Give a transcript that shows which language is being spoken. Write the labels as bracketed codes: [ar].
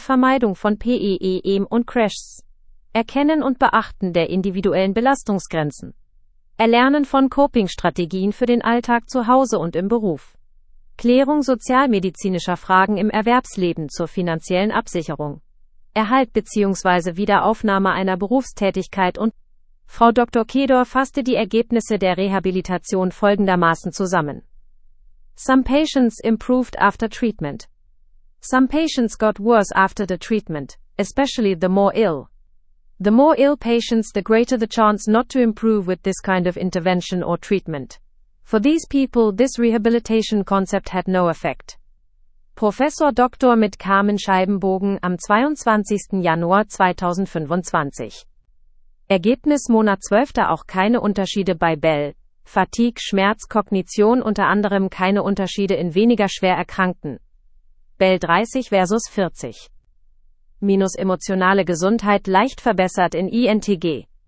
[de] Vermeidung von PEEM und Crashs, Erkennen und Beachten der individuellen Belastungsgrenzen, Erlernen von Coping-Strategien für den Alltag zu Hause und im Beruf, Klärung sozialmedizinischer Fragen im Erwerbsleben zur finanziellen Absicherung, Erhalt bzw. Wiederaufnahme einer Berufstätigkeit und Frau Dr. Kedor fasste die Ergebnisse der Rehabilitation folgendermaßen zusammen. [en] Some patients improved after treatment. Some patients got worse after the treatment, especially the more ill. The more ill patients, the greater the chance not to improve with this kind of intervention or treatment. For these people, this rehabilitation concept had no effect. [de] Professor Dr. mit Carmen Scheibenbogen am 22. Januar 2025. Ergebnis Monat 12. Auch keine Unterschiede bei Bell. Fatigue, Schmerz, Kognition unter anderem keine Unterschiede in weniger schwer Erkrankten. Bell 30 versus 40. Minus emotionale Gesundheit leicht verbessert in INTG.